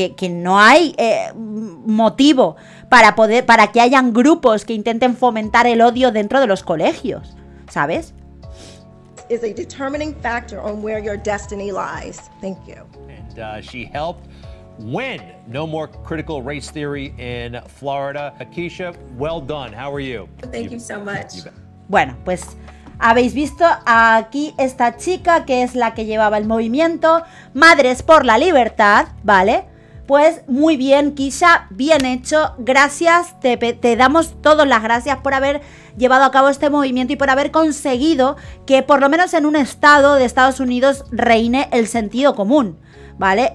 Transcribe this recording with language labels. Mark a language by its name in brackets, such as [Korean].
[Spanish] no hay motivo para que hayan grupos que intenten fomentar el odio dentro de los colegios, ¿sabes? [English] Is a determining factor on where your destiny lies. Thank you. And she helped win No More Critical Race Theory in Florida. Akeisha, well done. How are you? Thank you so much. [Spanish] Bueno, pues habéis visto aquí esta chica que es la que llevaba el movimiento Madres por la Libertad, ¿vale? Pues muy bien, Keisha, bien hecho. Gracias, te damos todas las gracias por haber llevado a cabo este movimiento y por haber conseguido que por lo menos en un estado de Estados Unidos reine el sentido común, ¿vale?